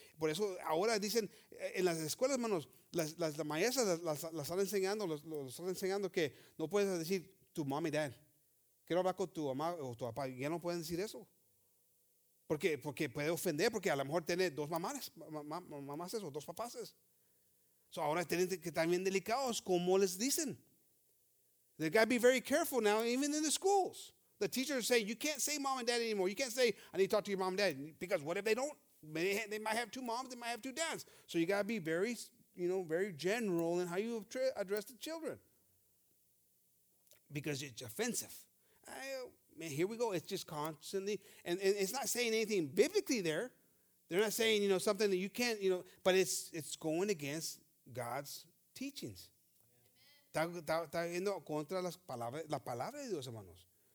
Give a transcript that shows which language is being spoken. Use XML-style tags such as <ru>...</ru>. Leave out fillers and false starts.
<es>Por eso ahora dicen en las escuelas, hermanos, las maestras las están enseñando, los están enseñando que no puedes decir tu mamá y dad. Quiero hablar con tu mamá o tu papá. Ya no pueden decir eso. Porque puede ofender, porque a lo mejor tiene dos mamás o dos papás. So ahora tienen que estar bien delicados, como les dicen.</es> <en>They got to be very careful now, even in the schools. The teachers say, you can't say mom and dad anymore. You can't say, I need to talk to your mom and dad. Because what if they don't? They might have two moms, they might have two dads. So you got to be very, you know, very general in how you address the children. Because it's offensive. Man, here we go. It's just constantly, and it's not saying anything biblically there. They're not saying, you know, something that you can't, you know, but it's going against God's teachings.</en> <es>Está yendo contra las palabras de Dios, hermanos.</es>